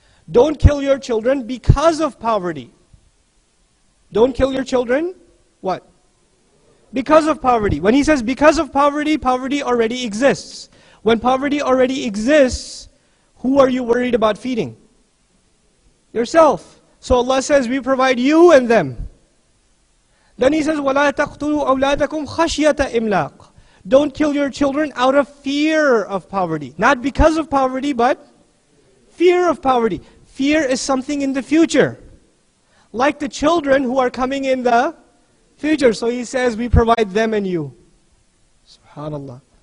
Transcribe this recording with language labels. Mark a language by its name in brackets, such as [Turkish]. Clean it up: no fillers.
[English] Don't kill your children because of poverty. Don't kill your children, what? Because of poverty. When he says because of poverty, poverty already exists. When poverty already exists, who are you worried about feeding? Yourself. So Allah says, we provide you and them. Then he says, [Arabic] وَلَا تَقْتُلُوا أَوْلَادَكُمْ خَشْيَةَ إِمْلَاقٍ. [English] Don't kill your children out of fear of poverty. Not because of poverty, but fear of poverty. Fear is something in the future. Like the children who are coming in the future. So he says, we provide them and you. SubhanAllah.